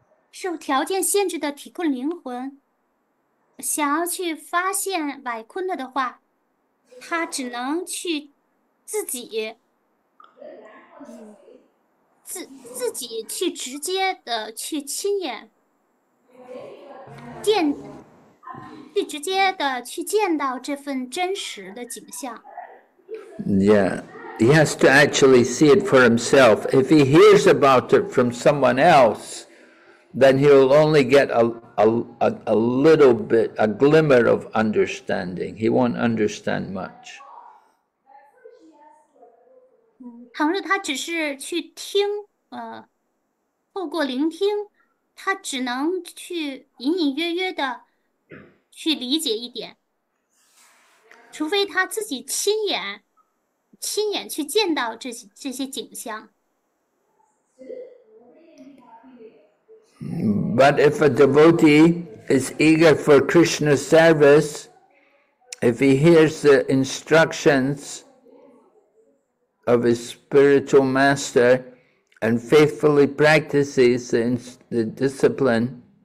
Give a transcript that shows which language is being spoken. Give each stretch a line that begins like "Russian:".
Chinese: 受条件限制的体空灵魂，想要去发现百坤的话，他只能去自己，自己去直接的去亲眼见，去直接的去见到这份真实的景象。
English: Yeah, he has to actually see it for himself. If he hears about it from someone else, then he'll only get a little bit, a glimmer of understanding. He won't understand much.
Chinese: 倘若他只是去听，透过聆听，他只能去隐隐约约的去理解一点。除非他自己亲眼去见到这些景象。
English: But if a devotee is eager for Krishna's service, if he hears the instructions of his spiritual master and faithfully practices the discipline,